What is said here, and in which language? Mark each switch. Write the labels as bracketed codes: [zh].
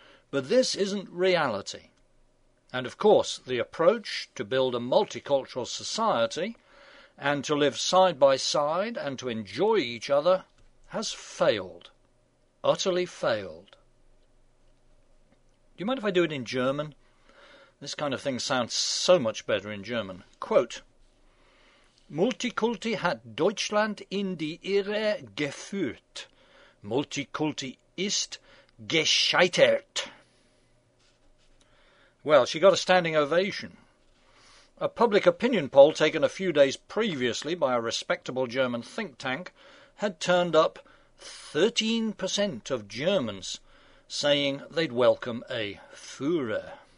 [en] But this isn't reality. And of course, the approach to build a multicultural society and to live side by side and to enjoy each other has failed. Utterly failed." Do you mind if I do it in German? This kind of thing sounds so much better in German. [de] Quote: "Multikulti hat Deutschland in die Irre geführt. Multikulti ist gescheitert." [en] Well, she got a standing ovation. A public opinion poll taken a few days previously by a respectable German think tank had turned up 13% of Germans saying they'd welcome a Führer.